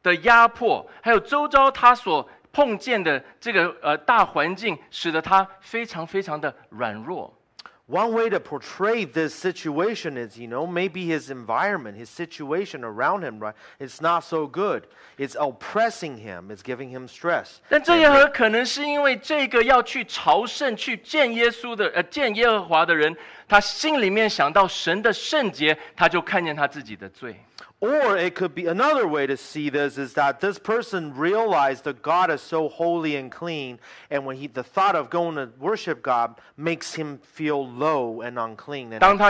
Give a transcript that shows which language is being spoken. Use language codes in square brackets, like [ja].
[zh] 这里可能讲到的是，因为他周遭的环境的压迫，还有周遭他所 [en] One way to portray this situation is, you know, maybe his environment, his situation around him, right? It's not so good. It's oppressing him. It's giving him stress. [zh] 但这也很可能是因为这个要去朝圣去见耶稣的，见耶和华的人，他心里面想到神的圣洁，他就看见他自己的罪。 [en] Or it could be another way to see this is that this person realized that God is so holy and clean, and when the thought of going to worship God makes him feel low and unclean.